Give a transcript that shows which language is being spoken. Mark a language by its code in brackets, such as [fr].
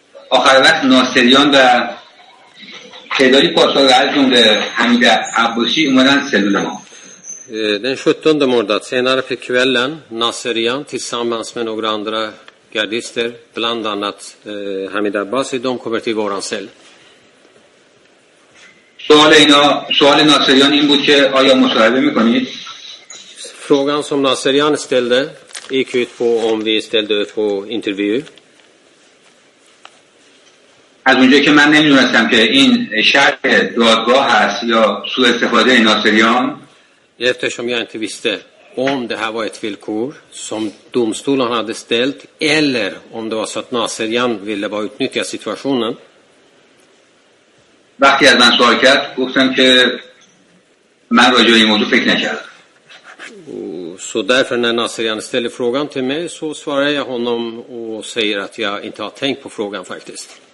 [fa] آخر وقت ناصریان و تعدادی پاسدار از جمله حمید عباسی اومدن سلول ما. [sv] Den 17 mordad senare på kvällen Nasserian tillsammans med några andra gardister bland annat Hamid Abbasi de kommer till våran cell. [fa] سوال ناصریان این بود که آیا مصاحبه میکنید؟ [sv] Frågan som Naserian ställde gick ut på om vi ställde ut på intervju. [fa] از اونجایی که من نمیدونستم که این شرط دادگاه هست یا سوء استفاده ناصریان. [sv] Eftersom jag inte visste om det här var ett villkor som domstolen hade ställt eller om det var så att Naserian ville bara utnyttja situationen. [fa] وقتی از من سوال کرد گفتم که من راجع به این موضوع فکر نکردم. [sv] Så därför när Naserian ställer frågan till mig så svarar jag honom och säger att jag inte har tänkt på frågan faktiskt.